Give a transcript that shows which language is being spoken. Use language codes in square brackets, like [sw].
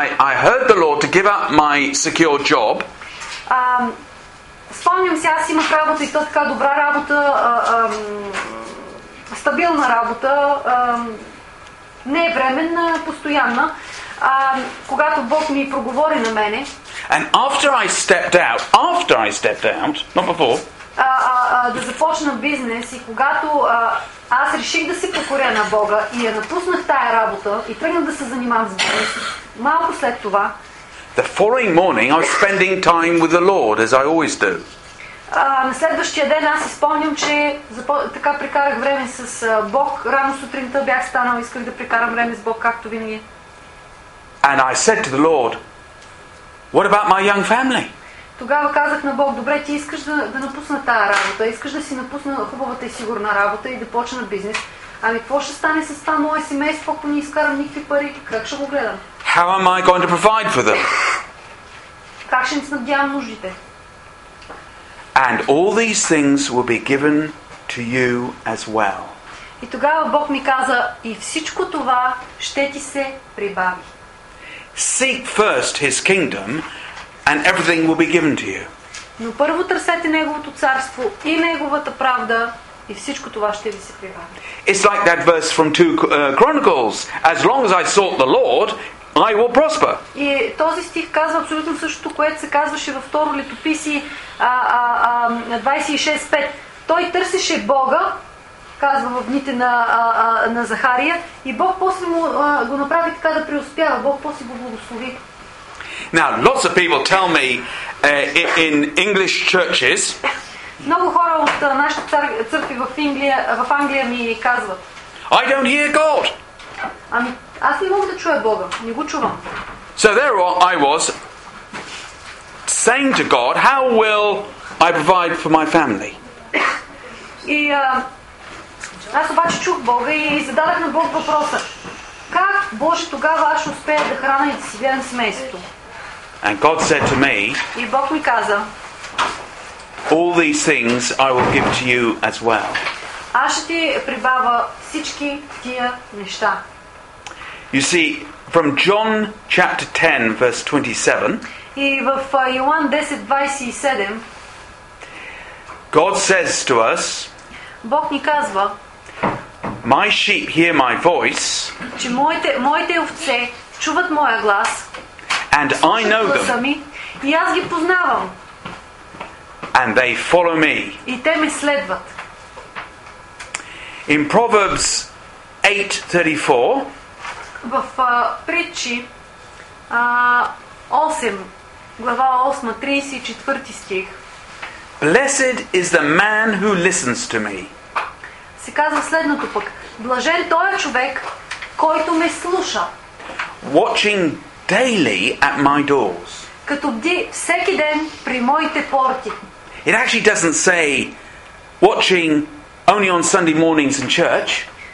[en] I heard the Lord to give up my secure job. [bg] Спомням си, аз имах работа и то така добра работа... стабилна работа, не е временна, постоянна, когато Бог ми проговори на мене. [en] And after I stepped out, not before. [bg] Да започна бизнес и когато аз реших да се покоря на Бога и я напуснах тая работа и тръгнах да се занимавам с бизнес, малко след това. [en] The following morning I was spending time with the Lord as I always do. [bg] На следващия ден аз си спомням, че така прекарах време с Бог. Рано сутринта бях станал, исках да прекарам време с Бог, както винаги. [en] And I said to the Lord, what about my young family? [bg] Тогава казах на Бог, добре, ти искаш да напусна тая работа, искаш да си напусна хубавата и сигурна работа и да почна бизнес. Ами какво ще стане с това мое семейство, ако не изкарам никакви пари, как ще го гледам? [en] How am I going to provide for them? [bg] Как ще ни снабдявам нуждите? [en] And all these things will be given to you as well. [bg] И тогава Бог ми каза, и всичко това ще ти се прибави. [en] Seek first his kingdom and everything will be given to you. [bg] Но първо търсете неговото царство и неговата правда и всичко това ще ви се прибави. [en] It's like that verse from 2 Chronicles, as long as I sought the Lord, I will prosper. [bg] И този стих казва абсолютно същото, което се казваше във второ летописи 26:5. Той търсеше Бога, казва в дните на Захария, и Бог после му го направи така да преуспява, Бог после го благослови. [en] Now, lots of people tell me in English churches. [bg] Много хора от нашите църкви в Англия, ми казват. [en] I don't hear God. [bg] Аз не мога да чуя Бога. Не го чувам. [en] So there I was saying to God, how will I provide for my family? [bg] И аз обаче чух Бога и зададах на Бог въпроса. Как, Боже, тогава аз ще успея да храна и да си гледам семейството? [en] And God said to me, [bg] и Бог ми каза, [en] all these things I will give to you as well. [bg] Аз ще ти прибавя всички тия неща. [en] You see, from John chapter 10, verse 27, [bg] и в Йоан 10:27, [en] God says to us, [bg] Бог ни казва, [en] my sheep hear my voice, [bg] че моите овце чуват моя глас, [en] And I know them. [bg] И аз ги познавам. [en] And they follow me. [bg] И те ме следват. [en] In Proverbs 8:34. [bg] В притчи 8, глава 8, 34 стих. [en] Blessed is the man who listens to me. [bg] Се казва следното пък. Блажен той човек, който ме слуша. [en] Watching daily at my doors. [bg] Като бди всеки ден при моите порти. [en] It actually doesn't say watching only on Sunday mornings in church.